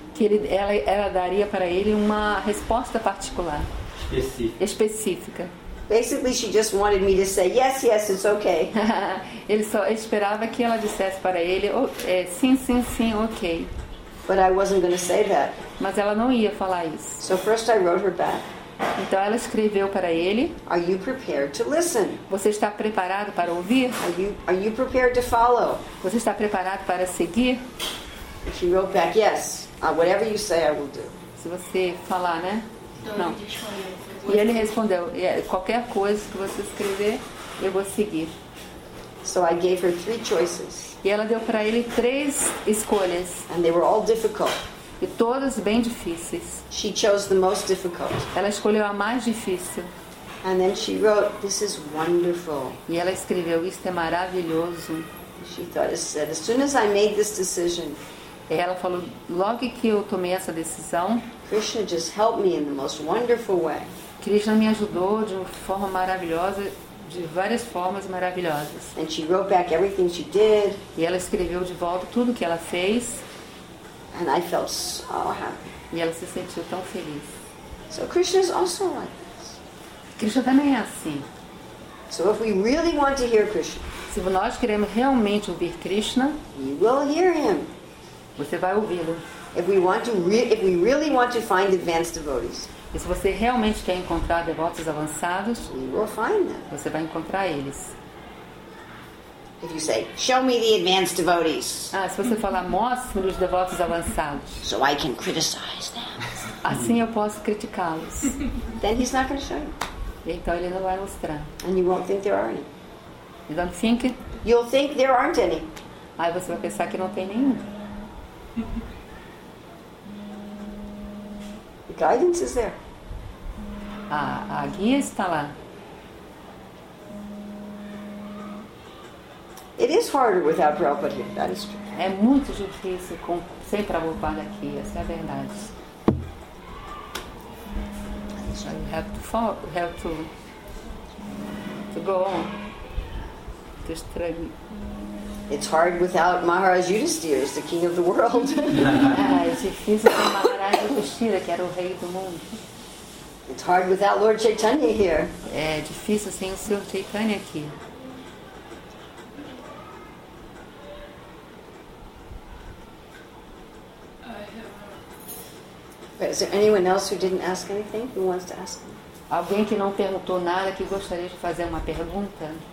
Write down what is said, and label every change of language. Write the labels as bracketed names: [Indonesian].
[Portuguese] Que ela daria para ele uma resposta particular. Específica. [English] Basically, she just wanted me to say yes, it's okay. [Portuguese] Ele só esperava que ela dissesse para ele, oh, sim, ok. [English] But I wasn't going to say that. [Portuguese] Mas ela não ia falar isso. [English] So first I wrote her back. [Portuguese] Então ela escreveu para ele. [English] Are you prepared to listen? [Portuguese] Você está preparado para ouvir? [English] Are you prepared to follow? [Portuguese] Você está preparado para seguir? [English] She wrote back, yes. Whatever you say, I will do. [Portuguese] Se você falar, né? Então, não. E ele respondeu, qualquer coisa que você escrever, eu vou seguir. [English] So I gave her 3 choices. [Portuguese] E ela deu para ele 3 escolhas. [English] And they were all difficult. [Portuguese] E todas bem difíceis. [English] She chose the most difficult. [Portuguese] Ela escolheu a mais difícil. [English] And then she wrote, this is wonderful. [Portuguese] E ela escreveu, isto é maravilhoso. [English] She thought, as soon as I made this decision. [Portuguese] E ela falou, logo que eu tomei essa decisão, [English] Krishna just helped me in the most wonderful way. [Portuguese] Krishna me ajudou de uma forma maravilhosa, de várias formas maravilhosas. [English] And she wrote back everything she did. [Portuguese] E ela escreveu de volta tudo que ela fez. [English] And I felt so happy. [Portuguese] E ela se sentiu tão feliz. [English] So Krishna is also like this. [Portuguese] Krishna também é assim. [English] So if we really want to hear Krishna, [Portuguese] se nós queremos realmente ouvir Krishna, [English] you will hear him. [Portuguese] Você vai ouvi-lo. [English] If we really want to find advanced devotees, [Portuguese] e se você realmente quer encontrar devotos avançados, [English] we will find them. [Portuguese] Você vai encontrar eles. [English] If you say, show me the advanced devotees. [Portuguese] Ah, se você falar, mostre-me os devotos avançados. [English] So I can criticize them. [Portuguese] Assim eu posso criticá-los. [English] Then he's not going to show you. [Portuguese] Então ele não vai mostrar. [English] And you won't think there are any. You don't think? You'll think there aren't any. [Portuguese] Aí você vai pensar que não tem nenhum. [English] The guidance is there. [Portuguese] A guia está lá. [English] It is harder without Prabhupada here, that is true. [Portuguese] É muito difícil sem Prabhupada aqui, essa é a verdade. [English] So you have to follow, have to go on. To struggle. It's hard without Maharaj Yudhisthira as the king of the world. [Portuguese] É difícil sem Maharaj Yudhisthira, que era o rei do mundo. [English] It's hard without Lord Chaitanya here. [Portuguese] É difícil sem o Senhor Chaitanya aqui. [English] But is there anyone else who didn't ask anything who wants to ask? [Portuguese] Alguém que não perguntou nada que gostaria de fazer uma pergunta?